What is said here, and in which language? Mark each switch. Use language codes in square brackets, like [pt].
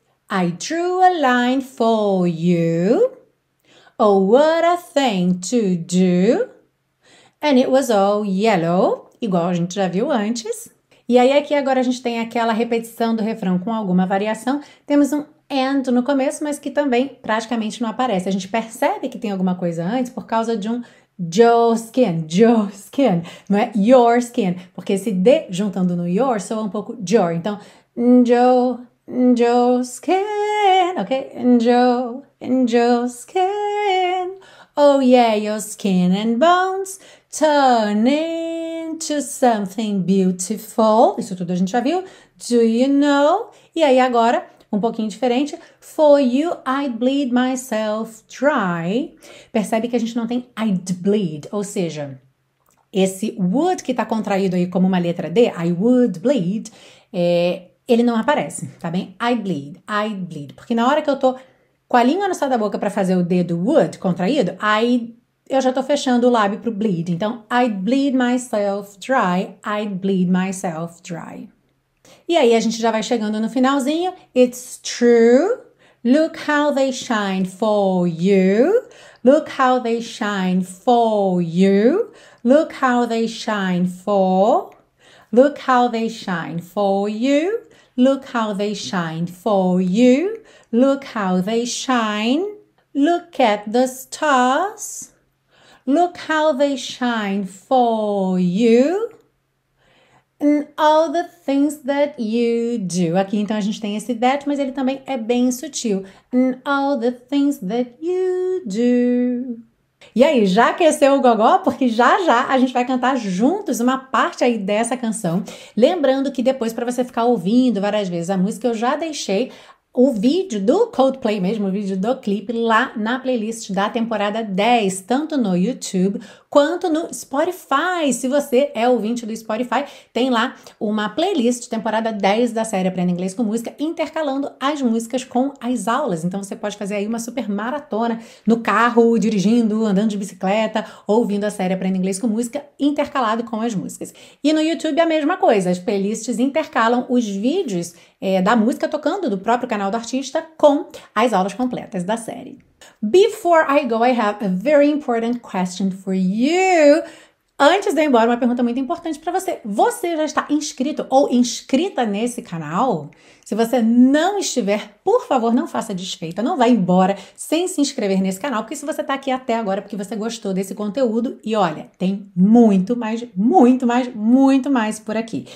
[en] I drew a line for you. Oh, what a thing to do. And it was all yellow, [pt] igual a gente já viu antes. E aí aqui agora a gente tem aquela repetição do refrão com alguma variação. Temos um and no começo, mas que também praticamente não aparece. A gente percebe que tem alguma coisa antes por causa de um [en] your skin, [pt] não é your skin. Porque esse D juntando no your soa um pouco your. Então, your skin, ok? Your skin. [en] Oh yeah, your skin and bones turn into something beautiful. [pt] Isso tudo a gente já viu. [en] Do you know? [pt] E aí agora, um pouquinho diferente. [en] For you, I'd bleed myself dry. [pt] Percebe que a gente não tem [en] I'd bleed. [pt] Ou seja, esse would que está contraído aí como uma letra D, [en] I would bleed, [pt] ele não aparece, tá bem? [en] I'd bleed. [pt] Porque na hora que eu tô com a língua no céu da boca para fazer o dedo would contraído, aí eu já tô fechando o lábio pro bleed. [en] Então, I'd bleed myself dry, I'd bleed myself dry. [pt] E aí a gente já vai chegando no finalzinho. [en] It's true. Look how they shine for you. Look how they shine for you. Look how they shine for. Look how they shine for you. Look how they shine for you. Look how they shine. Look at the stars. Look how they shine for you. And all the things that you do. [pt] Aqui então a gente tem esse that, mas ele também é bem sutil. [en] And all the things that you do. [pt] E aí, já aqueceu o gogó? Porque já já a gente vai cantar juntos uma parte aí dessa canção. Lembrando que depois, para você ficar ouvindo várias vezes a música, eu já deixei o vídeo do Coldplay mesmo, o vídeo do clipe, lá na playlist da temporada 10, tanto no YouTube quanto no Spotify. Se você é ouvinte do Spotify, tem lá uma playlist temporada 10 da série Aprenda Inglês com Música, intercalando as músicas com as aulas. Então você pode fazer aí uma super maratona no carro, dirigindo, andando de bicicleta, ouvindo a série Aprenda Inglês com Música, intercalado com as músicas. E no YouTube é a mesma coisa, as playlists intercalam os vídeos da música tocando, do próprio canal do artista, com as aulas completas da série. [en] Before I go, I have a very important question for you. [pt] Antes de ir embora, uma pergunta muito importante para você. Você já está inscrito ou inscrita nesse canal? Se você não estiver, por favor, não faça desfeita, não vá embora sem se inscrever nesse canal, porque se você está aqui até agora é porque você gostou desse conteúdo e olha, tem muito mais, muito mais, muito mais por aqui.